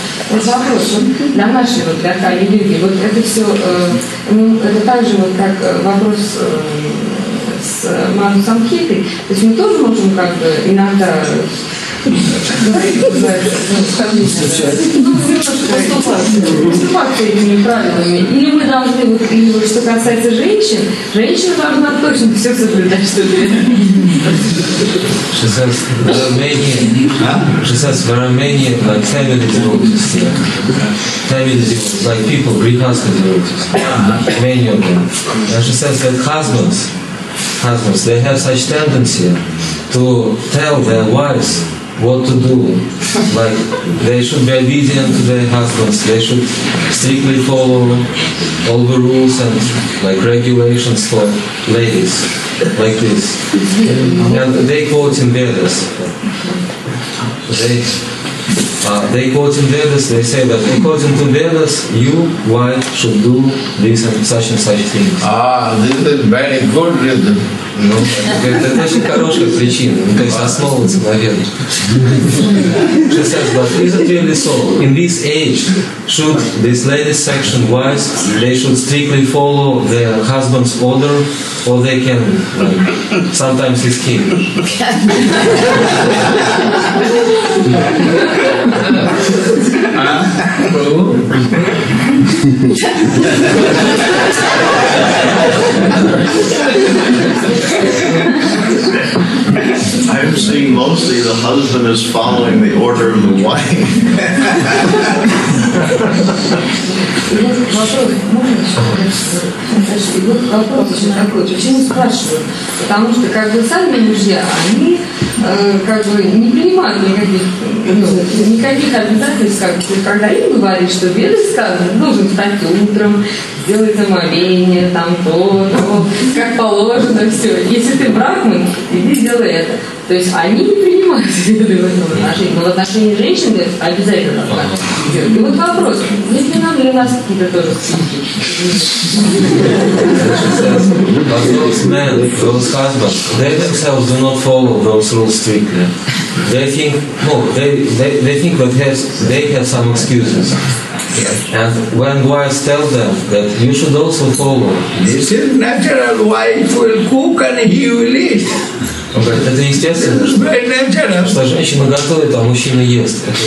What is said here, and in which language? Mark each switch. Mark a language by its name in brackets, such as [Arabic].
[Russian] Вот вопрос, вот для нашей, вот для коллеги, вот это все, ну, это так же, вот как вопрос с Ману Самхитой, то есть мы тоже можем как бы иногда или мы должны, вот, или вот что касается женщин, женщина должна точно все соблюдать, что ли? [English] She says, there are many, she says, there are many like family devotees here. Family devotees, like people, grihastha devotees, many of them. And she says that husbands, they have such tendency to tell their wives what to do. Like, they should be obedient to their husbands, they should strictly follow all the rules and like regulations for ladies. Like this. And they quote in Vedas. They quote in Vedas, they say that according to Vedas, you, wife, should do this and such things. Ah, this is a very good reason. [Russian] Ну, это очень хорошая причина, ну, то есть основываться на вере. [English] She says, but is it really so? In this age, should this ladies section wise, they should strictly follow their husband's order, or they can like, sometimes escape? I'm seeing mostly the husband is following the order of the wife. [Russian] Потому что как бы сами мужья, они как бы не принимают никаких обязательств, как бы, когда им говорят, что веды сказаны, нужно встать утром, сделать омовение, там то, то, как положено, все. Если ты брахман, иди сделай это. То есть они не принимают веды в этом отношении, но в отношении женщин обязательно так. И вот вопрос, если нам для нас какие-то тоже психики? [English] But those men, those husbands, they themselves do not follow those rules strictly. They think, they think that they have some excuses. And when wives tell them that you should also follow, this is natural. Wife will cook and he will eat. [Russian] Он говорит, это естественно, что женщина готовит, а мужчина ест.